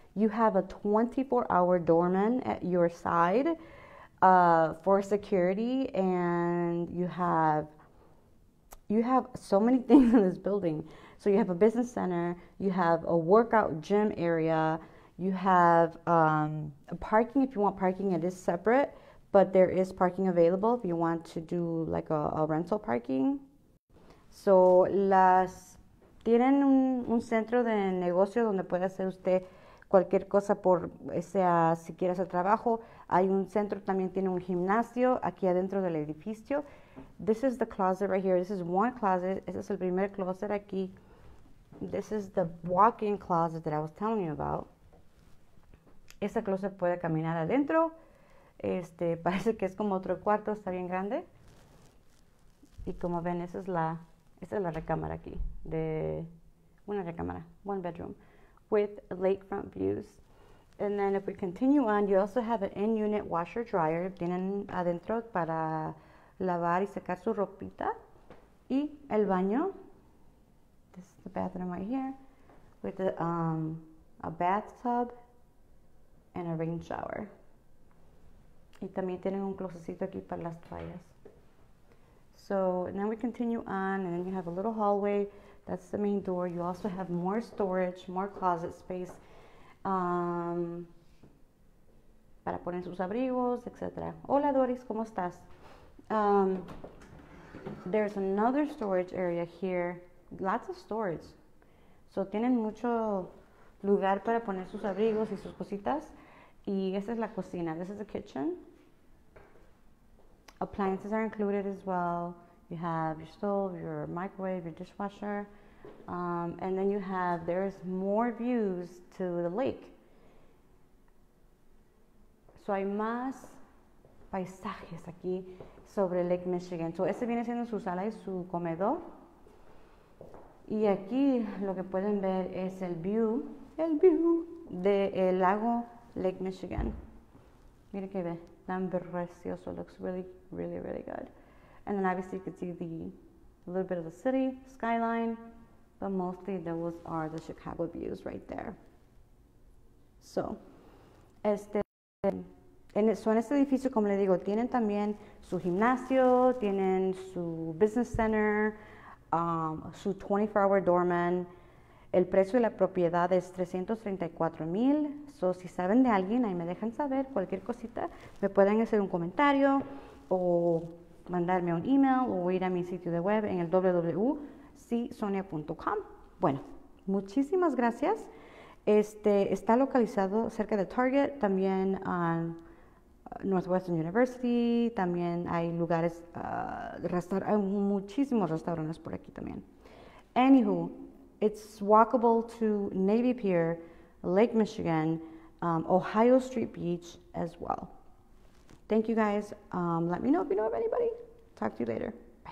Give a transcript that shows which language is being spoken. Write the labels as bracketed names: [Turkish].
[English] You have a 24-hour doorman at your side for security, and you have so many things in this building. So you have a business center, you have a workout gym area, you have a parking. If you want parking, it is separate, but there is parking available if you want to do like a rental parking. [Spanish] So las tienen un centro de negocio donde puede hacer usted cualquier cosa, por sea si quiere hacer trabajo. Hay un centro, también tiene un gimnasio aquí adentro del edificio. [English] This is the closet right here. This is one closet. [Spanish] Este es el primer closet aquí. [English] This is the walk-in closet that I was telling you about. [Spanish] Este closet puede caminar adentro. Parece que es como otro cuarto. Está bien grande. Y como ven, esta es la recámara aquí. De una recámara. [English] One bedroom. With lakefront views. And then if we continue on, you also have an in-unit washer-dryer. [Spanish] Tienen adentro para lavar y secar su ropita. Y el baño. [English] This is the bathroom right here with a bathtub and a rain shower. [Spanish] Y también tienen un closetito aquí para las toallas. [English] So now we continue on, and then you have a little hallway. That's the main door. You also have more storage, more closet space, [Spanish] para poner sus abrigos, etc. Hola Doris, ¿cómo estás? [English] There's another storage area here. Lots of storage. [Spanish] So tienen mucho lugar para poner sus abrigos y sus cositas. Y esta es la cocina. [English] This is the kitchen. Appliances are included as well. You have your stove, your microwave, your dishwasher. And then you have, there's more views to the lake. [Spanish] So hay más paisajes aquí sobre Lake Michigan. So este viene siendo su sala y su comedor. Y aquí lo que pueden ver es El view. el lago Lake Michigan. Miren qué ve, tan precioso. [English] Looks really, really, really good. And then obviously you could see a little bit of the city skyline, but mostly those are the Chicago views right there. [Spanish] So, son este edificio, como le digo, tienen también su gimnasio, tienen su business center, su 24-hour doorman. El precio de la propiedad es 334 mil. So, si saben de alguien, ahí me dejan saber cualquier cosita. Me pueden hacer un comentario o mandarme un email o ir a mi sitio de web en el www.sisonia.com. Bueno, muchísimas gracias. Está localizado cerca de Target, también Northwestern University, también hay lugares, hay muchísimos restaurantes por aquí también. [English] Anywho, it's walkable to Navy Pier, Lake Michigan, Ohio Street Beach as well. Thank you guys. Let me know if you know of anybody. Talk to you later.